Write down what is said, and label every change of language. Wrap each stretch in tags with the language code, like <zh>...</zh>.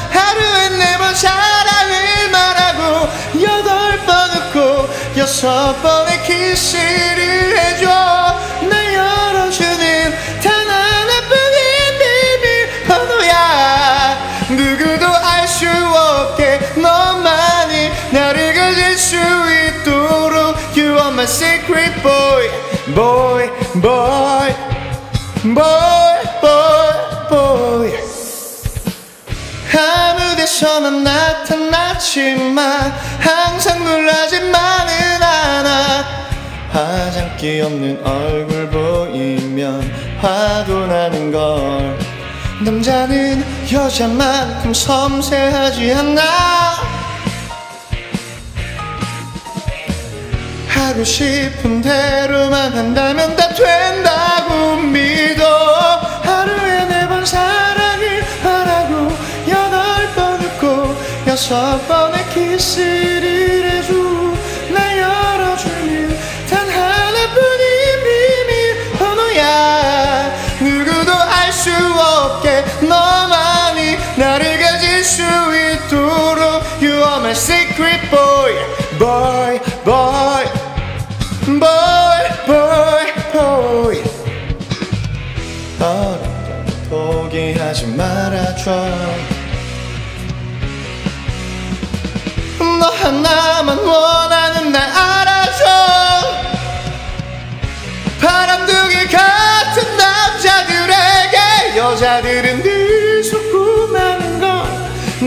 <ko>하루에 네 번 사랑을 말하고 여덟 번 웃고 여섯 번의 키스를 해줘. 날 열어주는 단 하나뿐인 비밀번호야. 누구도 알 수 없게 너만이 나를 가질 수 있도록.</ko> <en>You are my secret boy, boy, boy, boy, boy, boy.</en> <ko>아무 데서나 나타났지만 항상 놀라지만은 않아. 화장기 없는 얼굴 보이면 화도 나는 걸. 남자는 여자만큼 섬세하지 않아. 하고 싶은 대로만 한다면 다 된다고 믿어. 하루에 네 번 사랑을 바라고 여덟 번 웃고 여섯 번의 키스를 해줘. 날 열어주는 단 하나뿐인 비밀 번호야. 누구도 알 수 없게 너만이 나를 가질 수 있도록.</ko> <en>You are my secret boy, boy, boy, boy, boy, boy.</en> <ko>어렵다면 포기하지 말아줘. 너 하나만 원하는 날 알아줘. 바람둥이 같은 남자들에게 여자들은 늘 속고만한 걸.</ko>